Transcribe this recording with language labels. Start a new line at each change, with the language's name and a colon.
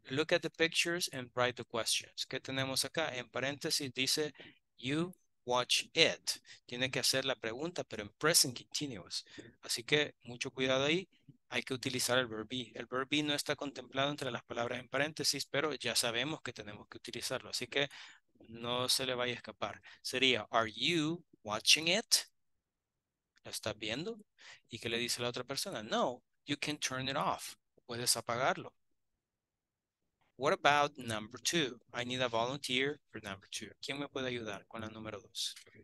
English: Look at the pictures and write the questions.
Spanish: ¿Qué tenemos acá? En paréntesis dice,
English: you watch it.
Spanish: Tiene que hacer la pregunta, pero en present continuous. Así que mucho cuidado ahí. Hay que utilizar el verb be. El verb be no está contemplado entre las palabras en paréntesis, pero ya sabemos que tenemos que utilizarlo. Así que no se le vaya a escapar. Sería,
English: are you watching it?
Spanish: ¿La estás viendo? ¿Y qué le dice la otra persona?
English: No, you can turn it off.
Spanish: Puedes apagarlo.
English: What about number two? I need a volunteer for number two.
Spanish: ¿Quién me puede ayudar con la número dos?